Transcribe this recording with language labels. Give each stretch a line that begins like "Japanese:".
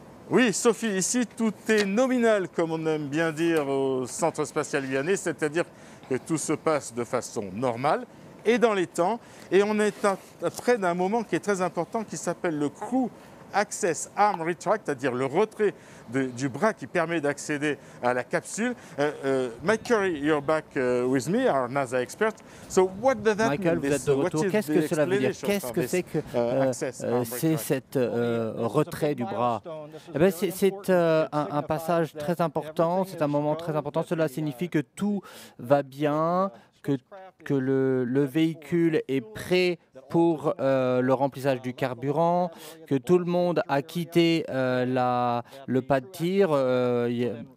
French: Oui, Sophie, ici, tout est nominal, comme on aime bien dire au Centre spatial guyanais, c'est-à-dire que tout se passe de façon normale et dans les temps. Et on est près d'un moment qui est très important, qui s'appelle le Crew Access Arm Retract, c'est-à-dire le retrait du bras qui permet d'accéder à la capsule.
English: Mike Curry, you're back with me, our NASA expert. So what does that Michael, mean?
French: Vous êtes de retour. Qu'est-ce que cela veut dire? Qu'est-ce que c'est que c'est cet retrait du bras? Eh bien, c'est un passage très important, c'est un moment très important. Cela signifie que tout va bien, que le véhicule est prêt pour le remplissage du carburant, que tout le monde a quitté le pas de tir.